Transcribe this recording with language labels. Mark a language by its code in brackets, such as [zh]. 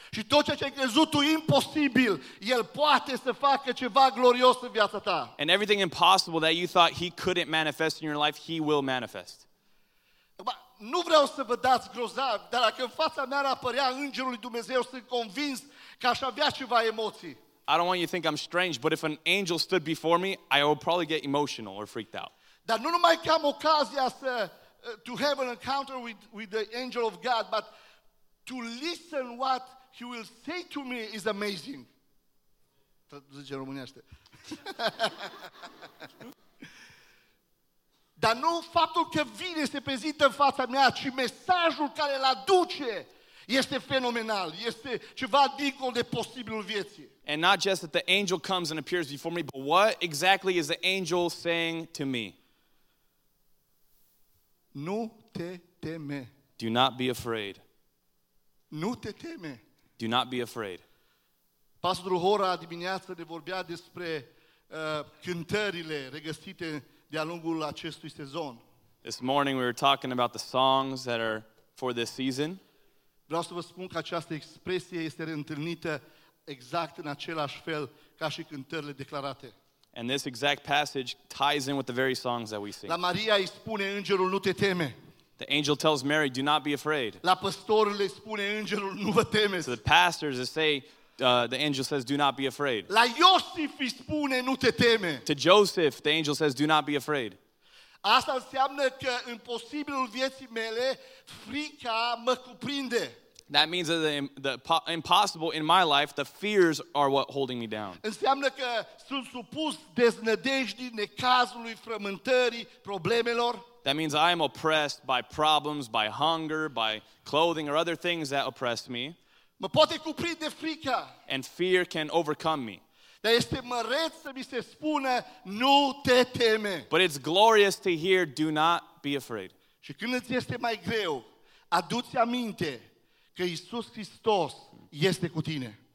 [ro] Și tot ceea ce ai crezut tu imposibil, el poate să facă ceva glorios în viața ta. [en] And everything impossible that you thought he couldn't manifest in your life, he will manifest. [ro] Nu vreau să vă dați grozav, dar dacă în fața mea ar apărea îngerul lui Dumnezeu, sunt convins că aș avea ceva emoții. [en] I don't want you to think I'm strange, but if an angel stood before me, I would probably get emotional or freaked out. [ro] Dar nu numai că am ocazia să [en] to have an encounter with the angel of God, but to listen what he will say to me is amazing. [ro] Traduce în românește. Dar nu faptul că vine se prezintă în fața mea, ci mesajul care îl aduce este fenomenal, este ceva dincolo de posibilul vieții. [en] And not just that the angel comes and appears before me, but what exactly is the angel saying to me? [ro] Nu te teme. [en] Do not be afraid. [ro] Nu te teme. [en] Do not be afraid. [ro] Pastorul Hora dimineața ne vorbea despre cântările regăsite de-a lungul acestui sezon. [en] This morning we were talking about the songs that are for this season. [ro] Vreau să vă spun că această expresie este reîntâlnită exact în același fel ca și cântările declarate. [en] And this exact passage ties in with the very songs that we sing. [ro] La Maria îi spune îngerul, nu te teme. [en] The angel tells Mary, do not be afraid. [ro] La păstorul îi spune îngerul, nu vă temeți. [en] So the pastors say, the angel says, do not be afraid. [ro] La Iosif îi spune, nu te teme. [en] To Joseph, the angel says, do not be afraid. [ro] Asta înseamnă că în posibilul vieții mele, frica mă cuprinde. [en] That means that the impossible in my life, the fears are what holding me down. [ro] Înseamnă că sunt supus deznădejdii, necazului, frământării, problemelor. [en] That means I am oppressed by problems, by hunger, by clothing, or other things that oppress me. [ro] Mă poate cuprinde frica. [en] And fear can overcome me. [ro] Dar este măreț să mi se spună, nu te teme. [en] But it's glorious to hear, do not be afraid. [ro] Și când îți este mai greu, adu-ți aminte că Iisus Hristos este cu tine.